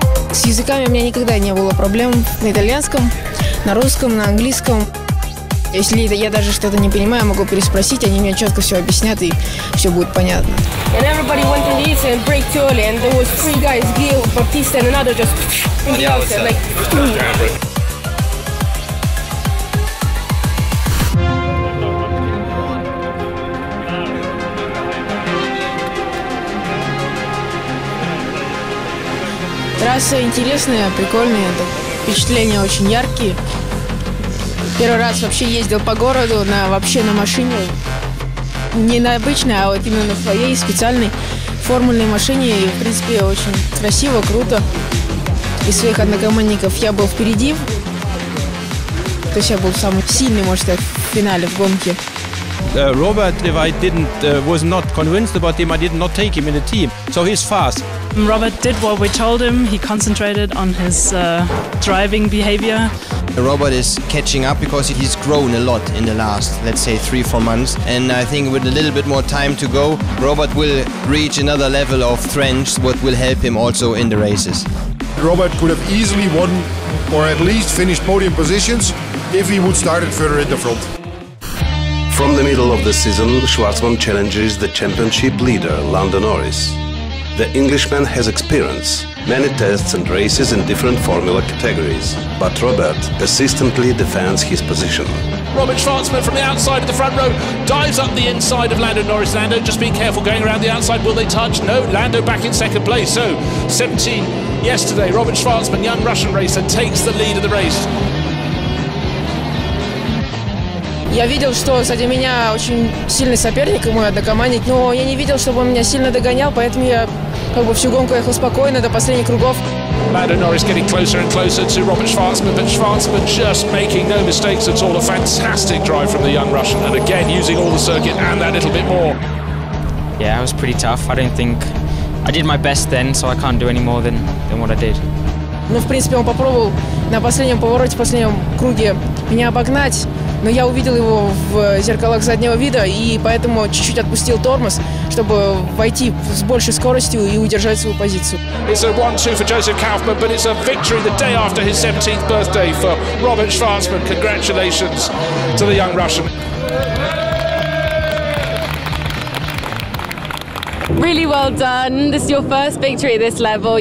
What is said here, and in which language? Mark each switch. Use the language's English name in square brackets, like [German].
[Russian] С языками у меня никогда не было проблем. На итальянском, на русском, на английском. Если я даже что-то не понимаю, могу переспросить, они мне четко все объяснят и все будет понятно. [English] And everybody went to Leeds and break too early, and there was 3 guys, Gil, Baptista and another just in the outside, [Russian] Трасса интересная, прикольная, впечатления очень яркие. Первый раз вообще ездил по городу вообще на машине. Не на обычной, а вот именно на своей специальной формульной машине. И, в принципе, очень красиво, круто. Из своих однокомандников я был впереди. То есть я был самый сильный, можно сказать, в финале, в гонке. [English] Robert, if I didn't, was not convinced about him, I did not take him in the team. So he's fast. Robert did what we told him. He concentrated on his driving behavior. Robert is catching up because he's grown a lot in the last, let's say, 3-4 months. And I think with a little bit more time to go, Robert will reach another level of strength, what will help him also in the races. Robert could have easily won or at least finished podium positions if he would start further in the front. From the middle of the season, Schwartzman challenges the championship leader, Lando Norris. The Englishman has experience, many tests and races in different formula categories, but Robert persistently defends his position. Robert Schwartzman from the outside of the front row dives up the inside of Lando Norris. Lando, just be careful going around the outside. Will they touch? No, Lando back in second place. So, 17 yesterday, Robert Schwartzman, young Russian racer, takes the lead of the race. [Russian] Я видел, что сзади меня очень сильный соперник, мой однокомандник, но я не видел, чтобы он меня сильно догонял, поэтому я как бы всю гонку ехал спокойно до последних кругов. [English] Lando Norris getting closer and closer to Robert Schwartzman, but Schwartzman just making no mistakes at all. A fantastic drive from the young Russian, and again using all the circuit and that little bit more. Yeah, it was pretty tough. I don't think I did my best then, so I can't do any more than what I did. [Russian] Ну, в принципе, он попробовал на последнем повороте, последнем круге меня обогнать. Но я увидел его в зеркалах заднего вида и поэтому чуть-чуть отпустил тормоз, чтобы войти с большей скоростью и удержать свою позицию. [English] It's a 1-2 for Joseph Kaufmann, but it's a victory the day after his 17th birthday for Robert Schwartzman. Congratulations to the young Russian. Really well done. This is your first victory at this level.